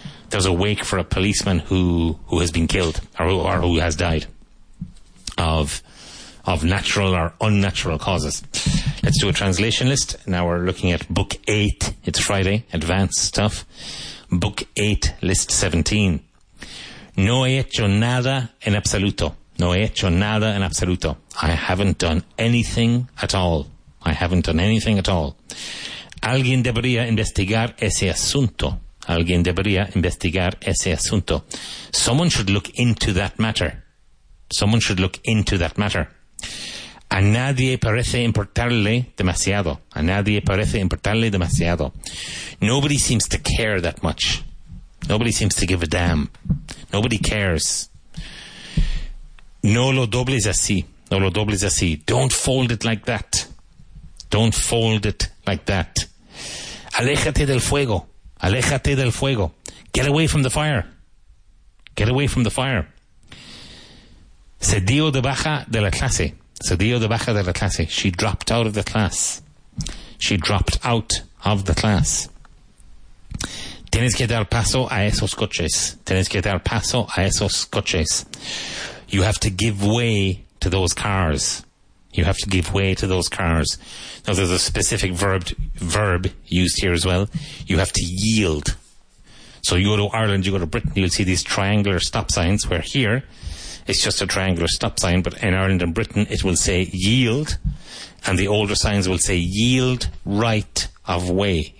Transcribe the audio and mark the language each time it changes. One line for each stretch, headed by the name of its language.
English: There's a wake for a policeman who has been killed or who has died of natural or unnatural causes. Let's do a translation list. Now we're looking at Book 8. It's Friday, advanced stuff. Book 8, List 17.
Spanish: No he hecho nada en absoluto. No he hecho nada en absoluto.
English: I haven't done anything at all. I haven't done anything at all.
Spanish: Alguien debería investigar ese asunto. Alguien debería investigar ese asunto.
English: Someone should look into that matter. Someone should look into that matter.
Spanish: A nadie parece importarle demasiado. A nadie parece importarle demasiado.
English: Nobody seems to care that much. Nobody seems to give a damn. Nobody cares.
Spanish: No lo dobles así. No lo dobles así.
English: Don't fold it like that. Don't fold it like that.
Spanish: Aléjate del fuego. Aléjate del fuego.
English: Get away from the fire. Get away from the fire.
Spanish: Se dio de baja de la clase. Se dio de baja de la clase.
English: She dropped out of the class. She dropped out of the class.
Spanish: Tienes que dar paso a esos coches. Tienes que dar paso a esos coches.
English: You have to give way to those cars. You have to give way to those cars. Now, there's a specific verb used here as well. You have to yield. So you go to Ireland, you go to Britain, you'll see these triangular stop signs, where here it's just a triangular stop sign, but in Ireland and Britain it will say yield, and the older signs will say yield right of way.